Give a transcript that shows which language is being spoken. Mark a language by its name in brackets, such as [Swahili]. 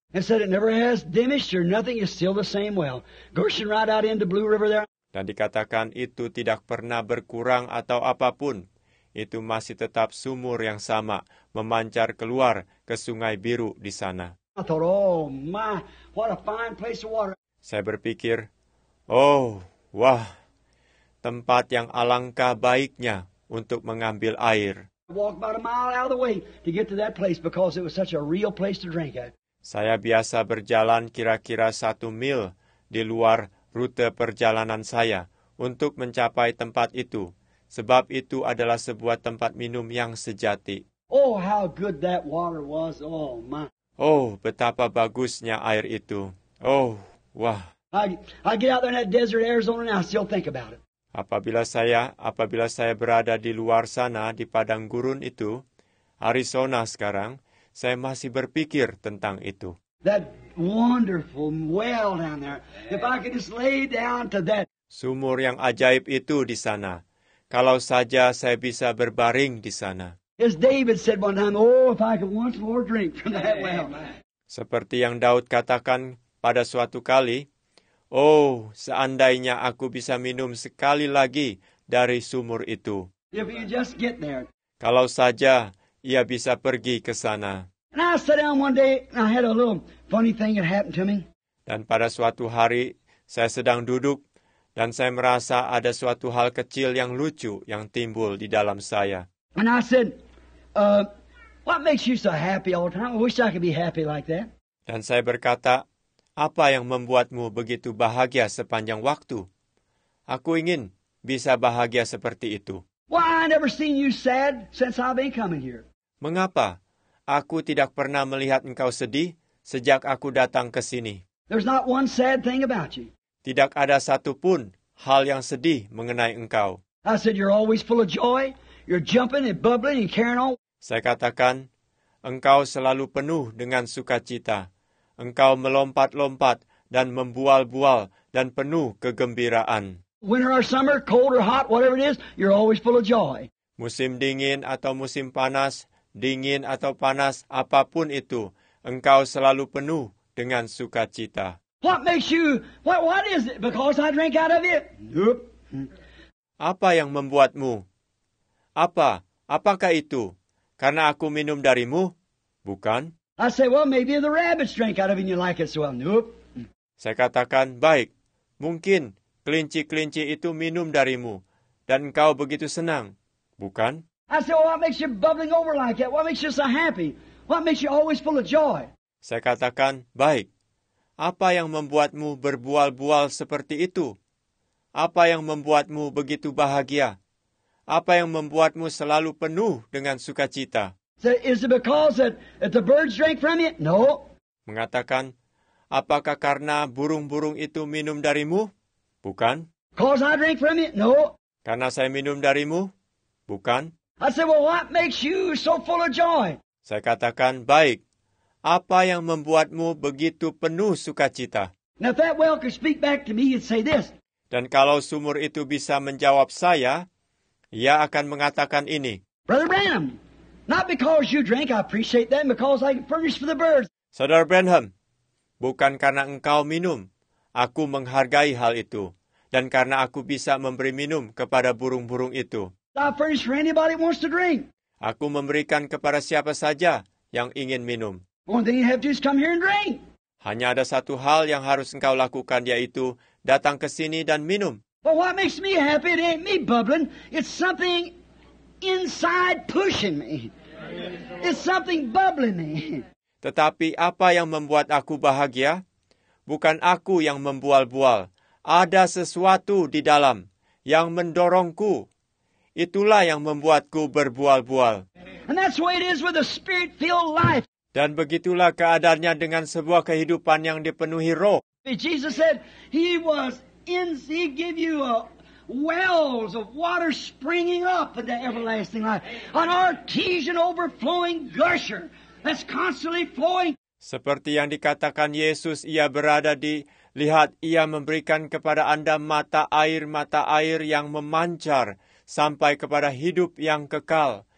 [English] And said it never has diminished or nothing, it's still the same well. Gushing right out into Blue River there. [Indonesian] Dan dikatakan itu tidak pernah berkurang atau apapun. Itu masih tetap sumur yang sama, memancar keluar ke Sungai Biru di sana. [English] I thought, oh my, what a fine place of water. [Indonesian] Saya berpikir, oh, wah, tempat yang alangkah baiknya untuk mengambil air. [English] Walk about a mile out of the way to get to that place because it was such a real place to drink at. [Indonesian] Saya biasa berjalan kira-kira 1 mil di luar rute perjalanan saya untuk mencapai tempat itu, sebab itu adalah sebuah tempat minum yang sejati. [English] Oh, how good that water was. Oh, my. [Indonesian] Oh, betapa bagusnya air itu. Oh, wah. [English] I get out there in that desert Arizona and I still think about it. [Indonesian] Apabila saya berada di luar sana, di padang gurun itu, Arizona sekarang, saya masih berpikir tentang itu. [English] That wonderful well down there. If I could just lay down to that. [Indonesian] Sumur yang ajaib itu di sana. Kalau saja saya bisa berbaring di sana. [English] As David said one time, oh, if I could once more drink from that well. [Indonesian] Seperti yang Daud katakan pada suatu kali, oh, seandainya aku bisa minum sekali lagi dari sumur itu. [English] If you just get there. [Indonesian] Kalau saja ia bisa pergi ke sana. [English] And I sat down one day and I had a little funny thing that happened to me. [Indonesian] Dan pada suatu hari, saya sedang duduk dan saya merasa ada suatu hal kecil yang lucu yang timbul di dalam saya. [English] And I said, what makes you so happy all the time? I wish I could be happy like that. [Indonesian] Dan saya berkata, apa yang membuatmu begitu bahagia sepanjang waktu? Aku ingin bisa bahagia seperti itu. [English] Well, I never seen you sad since I've been coming here. [Indonesian] Mengapa? Aku tidak pernah melihat engkau sedih sejak aku datang ke sini. [English] There's not one sad thing about you. [Indonesian] Tidak ada satu pun hal yang sedih mengenai engkau. [English] I said you're always full of joy. You're jumping and bubbling and carrying on. [Indonesian] Saya katakan, engkau selalu penuh dengan sukacita. Engkau melompat-lompat dan membual-bual dan penuh kegembiraan. [English] Winter or summer, cold or hot, whatever it is, you're always full of joy. [Indonesian] Musim dingin atau musim panas, dingin atau panas, apapun itu, engkau selalu penuh dengan sukacita. [English] What makes you, what is it? Because I drank out of it? Nope. [Indonesian] Apa yang membuatmu? Apa? Apakah itu? Karena aku minum darimu? Bukan. [English] I say, well, maybe the rabbits drank out of it and you like it so well. Nope. [Indonesian] Saya katakan, baik, mungkin kelinci-kelinci itu minum darimu dan kau begitu senang, bukan? [English] I say, well, what makes you bubbling over like that? What makes you so happy? What makes you always full of joy? [Indonesian] Saya katakan, baik, apa yang membuatmu berbual-bual seperti itu? Apa yang membuatmu begitu bahagia? Apa yang membuatmu selalu penuh dengan sukacita? [English] So is it because that the birds drank from it? No. [Indonesian] Mengatakan, apakah karena burung-burung itu minum darimu? Bukan. [English] Because I drank from it? No. [Indonesian] Karena saya minum darimu? Bukan. [English] I said, well, what makes you so full of joy? [Indonesian] Saya katakan, baik, apa yang membuatmu begitu penuh sukacita? [English] Now, if that well could speak back to me, it'd say this. [Indonesian] Dan kalau sumur itu bisa menjawab saya, ia akan mengatakan ini. [English] Brother Branham, not because you drink, I appreciate that, because I furnish for the birds. [Indonesian] Saudara Branham, bukan karena engkau minum, aku menghargai hal itu. Dan karena aku bisa memberi minum kepada burung-burung itu. [English] I furnish for anybody who wants to drink. [Indonesian] Aku memberikan kepada siapa saja yang ingin minum. [English] One thing you have to do is come here and drink. [Indonesian] Hanya ada satu hal yang harus engkau lakukan, yaitu datang ke sini dan minum. [English] But what makes me happy, it ain't me bubbling. It's something inside pushing me. It's something bubbling me. [Indonesian] Tetapi apa yang membuat aku bahagia? Bukan aku yang membual-bual. Ada sesuatu di dalam yang mendorongku. Itulah yang membuatku berbual-bual. [English] And that's the way it is with a spirit-filled life. [Indonesian] Dan begitulah keadaannya dengan sebuah kehidupan yang dipenuhi roh. [English] Jesus said he was in, he give you a wells of water springing up into everlasting life. An artesian overflowing gusher that's constantly flowing. [Indonesian] Seperti yang dikatakan Yesus, ia berada di, lihat, ia memberikan kepada Anda mata air yang memancar sampai kepada hidup yang kekal.